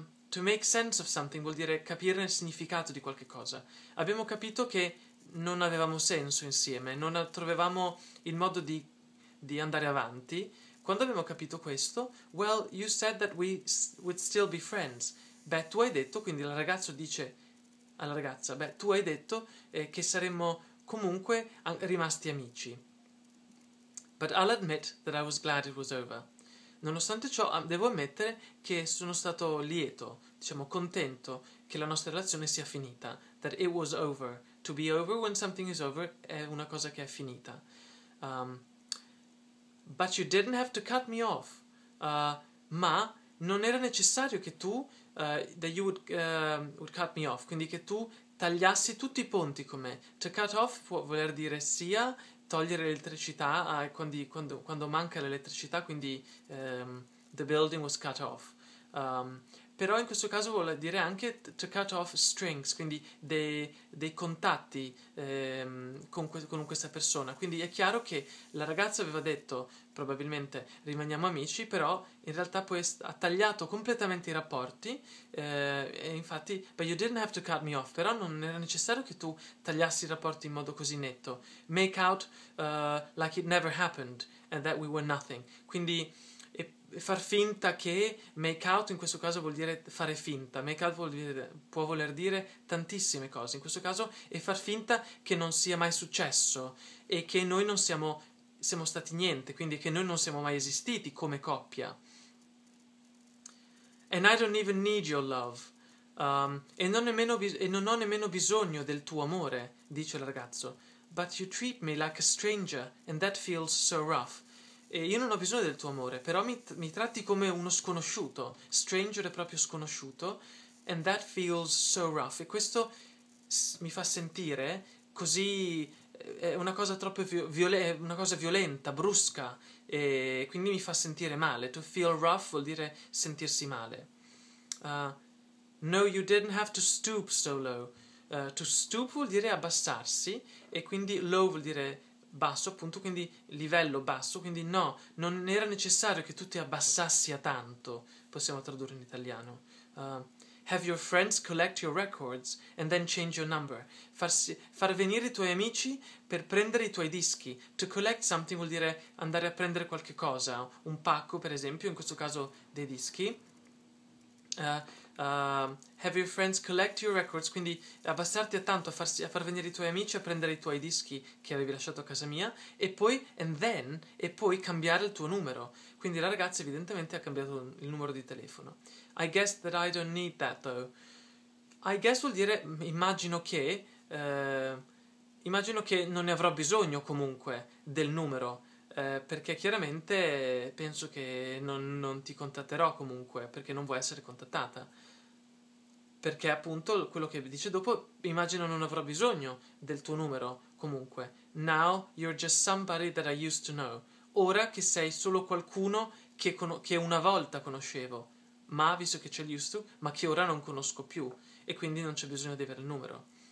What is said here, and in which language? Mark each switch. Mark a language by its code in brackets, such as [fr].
[en] to make sense of something [it] vuol dire capire il significato di qualche cosa. Abbiamo capito che non avevamo senso insieme, non trovavamo il modo di andare avanti. Quando abbiamo capito questo, [en] well, you said that we would still be friends. [it] Beh, tu hai detto, quindi il ragazzo dice alla ragazza, beh, tu hai detto che saremmo comunque rimasti amici. [en] But I'll admit that I was glad it was over. [it] Nonostante ciò, devo ammettere che sono stato lieto, diciamo contento, che la nostra relazione sia finita. [en] That it was over. To be over when something is over [it] è una cosa che è finita. [en] But you didn't have to cut me off. [it] Ma non era necessario che tu, [en] that you would cut me off. [it] Quindi che tu tagliassi tutti i ponti con me. To cut off può voler dire sia togliere l'elettricità quando manca l'elettricità, quindi [en] the building was cut off. [it] Però in questo caso vuole dire anche to cut off strings, quindi dei contatti con questa persona. Quindi è chiaro che la ragazza aveva detto, probabilmente, rimaniamo amici, però in realtà poi ha tagliato completamente i rapporti. E infatti, [en] but you didn't have to cut me off, [it] però non era necessario che tu tagliassi i rapporti in modo così netto. [en] Make out like it never happened and that we were nothing. [it] Quindi... far finta che, make out in questo caso vuol dire fare finta, make out può voler dire tantissime cose, in questo caso è far finta che non sia mai successo e che noi non siamo stati niente, quindi che noi non siamo mai esistiti come coppia. [en] And I don't even need your love. [it] E non ho nemmeno bisogno del tuo amore, dice il ragazzo. [en] But you treat me like a stranger and that feels so rough. [it] E io non ho bisogno del tuo amore, però mi tratti come uno sconosciuto. Stranger è proprio sconosciuto. [en] And that feels so rough. [it] E questo mi fa sentire così... è una cosa troppo una cosa violenta, brusca. E quindi mi fa sentire male. To feel rough vuol dire sentirsi male. [en] No, you didn't have to stoop so low. [it] To stoop vuol dire abbassarsi. E quindi low vuol dire... basso, appunto, quindi livello basso, quindi no, non era necessario che tu ti abbassassi a tanto, possiamo tradurre in italiano. [en] Have your friends collect your records and then change your number. [it] Far venire i tuoi amici per prendere i tuoi dischi. To collect something vuol dire andare a prendere qualche cosa, un pacco per esempio, in questo caso dei dischi. [en] Have your friends collect your records, [it] quindi abbassarti a tanto a far venire i tuoi amici a prendere i tuoi dischi che avevi lasciato a casa mia e poi cambiare il tuo numero. Quindi la ragazza evidentemente ha cambiato il numero di telefono. [en] I guess that I don't need that though. [it] I guess vuol dire immagino che non ne avrò bisogno comunque del numero. Perché chiaramente penso che non ti contatterò comunque, perché non vuoi essere contattata. Perché appunto quello che dice dopo, immagino non avrò bisogno del tuo numero comunque. [en] Now you're just somebody that I used to know. [it] Ora che sei solo qualcuno che una volta conoscevo, ma visto che c'è used to, ma che ora non conosco più, e quindi non c'è bisogno di avere il numero.